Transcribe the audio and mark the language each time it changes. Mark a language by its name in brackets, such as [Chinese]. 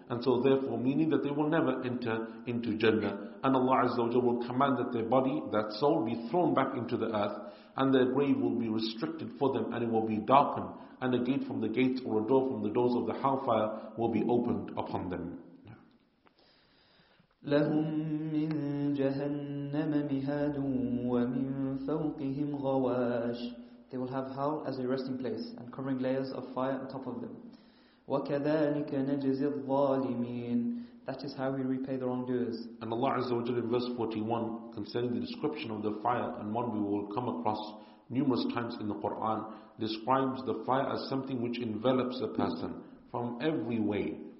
[English] And so therefore, meaning that they will never enter into Jannah. And Allah Azza wa Jalla will command that their body, that soul, be thrown back into the earth, and their grave will be restricted for them, and it will be darkened, and a gate from the gates or a door from the doors of the hellfire will be opened upon them. [Arabic] لهم من جهنم مهاد ومن فوقهم غواش. [English] They will have hell as a resting place and covering layers of fire on top of them. [Arabic] وكذلك نجزي الظالمين. [English] That is how we repay the wrongdoers. And Allah Azza wa Jalla in verse 41, concerning the description of the fire, and one we will come across numerous times in the Quran, describes the fire as something which envelops a person from every way.